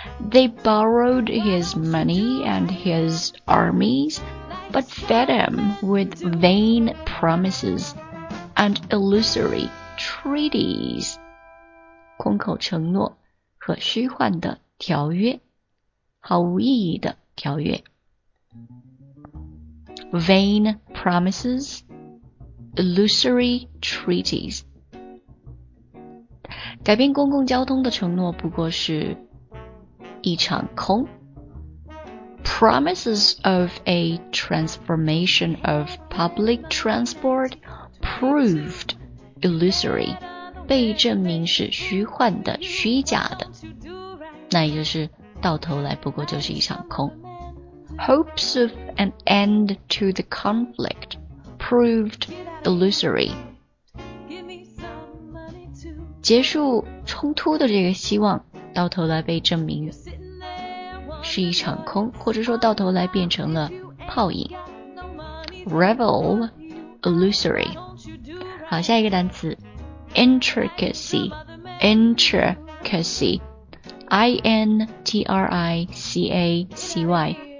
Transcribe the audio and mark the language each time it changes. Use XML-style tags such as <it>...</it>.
<en>They borrowed his money and his armies, but fed him with vain promises and illusory treaties.</en> <zh>空口承诺和虚幻的条约，毫无意义的条约。</zh> <en>Vain promises, illusory treaties.</en> <zh>改变公共交通的承诺不过是一场空。</zh> <en>Promises of a transformation of public transport proved illusory.</en> <zh>被证明是虚幻的、虚假的。那也就是到头来不过就是一场空。</zh> <en>Hopes of an end to the conflict proved illusory.</en> <zh>结束冲突的这个希望到头来被证明是一场空，或者说到头来变成了泡影。 Revel, illusory. 好，下一个单词 intricacy, intricacy, I-N-T-R-I-C-A-C-Y.</zh>